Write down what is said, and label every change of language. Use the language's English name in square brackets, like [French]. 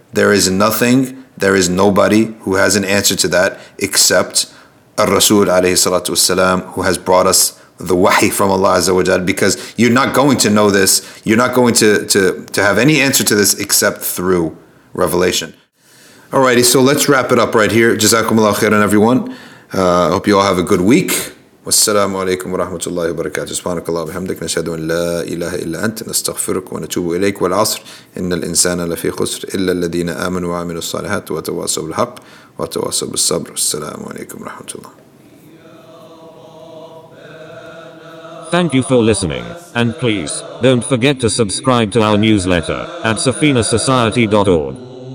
[English] There is nothing, there is nobody who has an answer to that except Ar-Rasul alayhi salatu wasalam, who has brought us the wahi from Allah azza wa jal, because you're not going to know this, you're not going to have any answer to this except through revelation. Alrighty, so let's wrap it up right here. Jazakumullah khairan everyone. I hope you all have a good week. [Arabic] والسلام عليكم ورحمة الله وبركاته سبحانك الله وبحمدك نشهد أن لا إله إلا أنت نستغفرك ونتوب إليك والعصر إن الإنسان لفي خسر إلا الذين آمنوا وعملوا الصالحات وتواصوا بالحق وتواصوا بالصبر السلام عليكم ورحمة الله. [English] Thank you for listening, and please don't forget to subscribe to our newsletter at safinasociety.org.